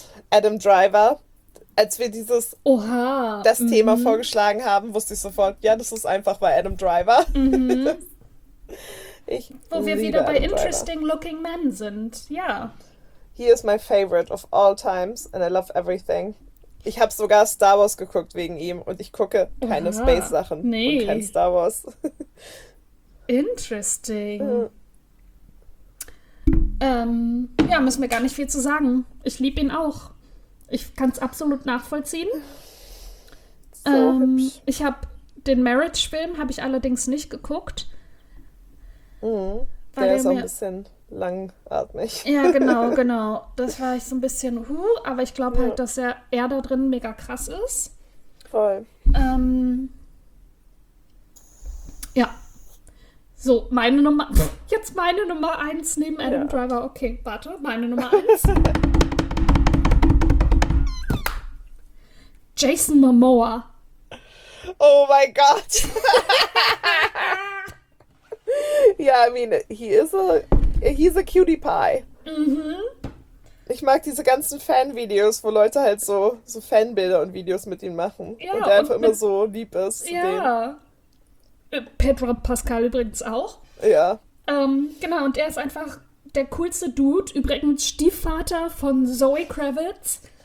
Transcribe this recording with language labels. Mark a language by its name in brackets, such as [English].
[German] Adam Driver. Als wir dieses das Thema vorgeschlagen haben, wusste ich sofort, ja, das ist einfach bei Adam Driver. Mhm. Ich wo wir wieder bei [English] interesting looking men [German] sind, ja. [English] He is my favorite of all times and I love everything. [German] Ich habe sogar Star Wars geguckt wegen ihm und ich gucke keine Space-Sachen und kein Star Wars. [English] Interesting. [German] Ja, müssen wir gar nicht viel zu sagen. Ich liebe ihn auch. Ich kann es absolut nachvollziehen. So hübsch. Ich habe den Marriage-Film habe ich allerdings nicht geguckt. Der ist auch ein bisschen langatmig. Ja, genau. Das war ich so ein bisschen, aber ich glaube halt, dass er da drin mega krass ist. Voll. Ja. So, meine Nummer. Jetzt meine Nummer 1 neben Adam Driver. Okay, warte, meine Nummer 1. Jason Momoa. Oh mein Gott. [English] Ja, yeah, I mean, he's a cutie pie. Mhm. [German] Ich mag diese ganzen Fan-Videos, wo Leute halt so Fanbilder und Videos mit ihm machen. Ja, und er einfach immer so lieb ist. Ja. Pedro Pascal übrigens auch. Ja. Genau, und er ist einfach der coolste Dude. Übrigens Stiefvater von Zoe Kravitz.